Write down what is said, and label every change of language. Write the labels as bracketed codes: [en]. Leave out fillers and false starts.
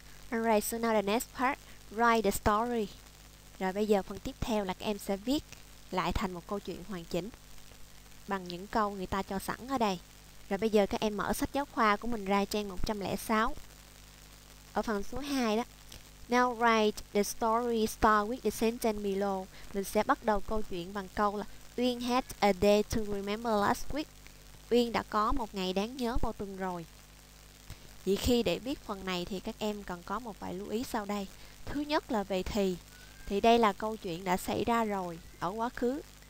[en] Alright, so now the next part. Write the story. [vi] Rồi bây giờ phần tiếp theo là các em sẽ viết lại thành một câu chuyện hoàn chỉnh bằng những câu người ta cho sẵn ở đây. Rồi bây giờ các em mở sách giáo khoa của mình ra trang 106 ở phần số 2 đó. [en] Now write the story, start with the sentence below. [vi] Mình sẽ bắt đầu câu chuyện bằng câu là [en] Uyên had a day to remember last week. [vi] Uyên đã có một ngày đáng nhớ vào tuần rồi. Vậy khi để biết phần này thì các em cần có một vài lưu ý sau đây. Thứ nhất là về thì đây là câu chuyện đã xảy ra rồi ở quá khứ.